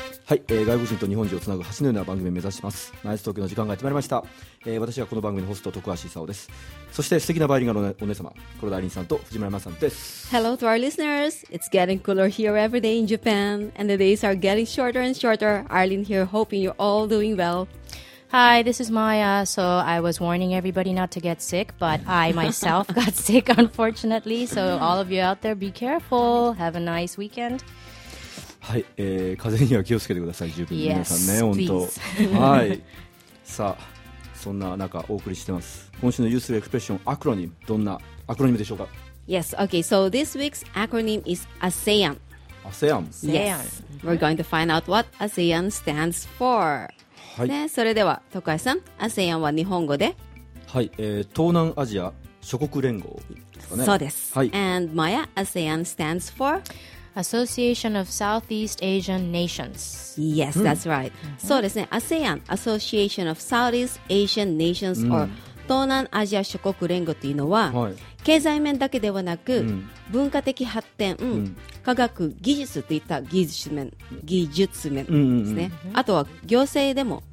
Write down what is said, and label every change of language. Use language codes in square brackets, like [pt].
[ja] はい、外国人と日本人をつなぐ橋のような番組を目指します。My Eyes Tokyo の時間がやってまいりました。私はこの番組のホスト徳橋勲です。そして素敵なバイリンガルのお姉様、黒田凛さんと藤村山さんです。 [en] Hello to our listeners. It's getting cooler here every day in Japan, and the days are getting shorter and shorter. Arlene here, hoping you're all doing well Hi, this is Maya. So I was warning everybody not to get sick, but I myself got sick, unfortunately. So all of you out there, be careful. Have a nice weekend. [ja] はい、風邪には気をつけてください。十分に皆さんね、 [en] yes, [ja] 本当。 [en] Please. [ja] はい。さあ、そんな中お送りしてます。今週のユースエクスプレッションアクロニム、どんなアクロニムでしょうか。 [en] Yes. Okay. So this week's acronym is ASEAN. ASEAN. Yes. ASEAN. We're going to find out what ASEAN stands for. [ja] はいね、それでは徳橋さん、 ASEAN は日本語で、はい、東南アジア諸国連合ですかね。そうです、はい、 [en] And Maya, ASEAN stands for Association of Southeast Asian Nations. Yes, that's right、 [ja] うん、そうですね、 ASEAN Association of Southeast Asian Nations、うん、or 東南アジア諸国連合というのは、はい、経済面だけではなく、うん、文化的発展、うん、科学技術といった技術面ですね、うんうんうん、あとは行政でも、